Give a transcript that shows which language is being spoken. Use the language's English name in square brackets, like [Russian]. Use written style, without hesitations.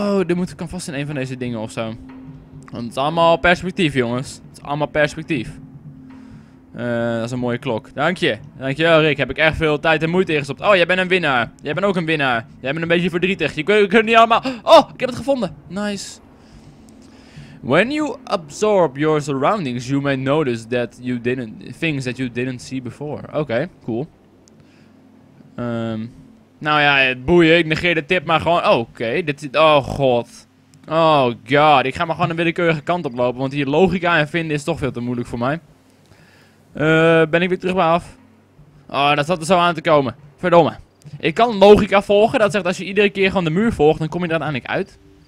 [Dutch] Er moet ik kan vast in een van deze dingen of zo. Want het is allemaal perspectief, jongens. Het is allemaal perspectief. Dat is een mooie klok. Dank je. Dank je, Rick. Heb ik echt veel tijd en moeite ingestopt. Oh, jij bent een winnaar. Jij bent ook een winnaar. Jij bent een beetje verdrietig. Je kunt niet allemaal... Oh, ik heb het gevonden. Nice. [English] When you absorb your surroundings, you may notice that you didn't... Things that you didn't see before. Oké, cool. [Dutch] Nou ja, boeien, ik negeer de tip maar gewoon... Oké, dit is... Oh god. Oh god, ik ga maar gewoon een willekeurige kant oplopen, want hier logica in vinden is toch veel te moeilijk voor mij. Ben ik weer terug bij af? Oh, dat zat er zo aan te komen. Verdomme. Ik kan logica volgen, dat zegt als je iedere keer gewoon de muur volgt, dan kom je er uiteindelijk uit.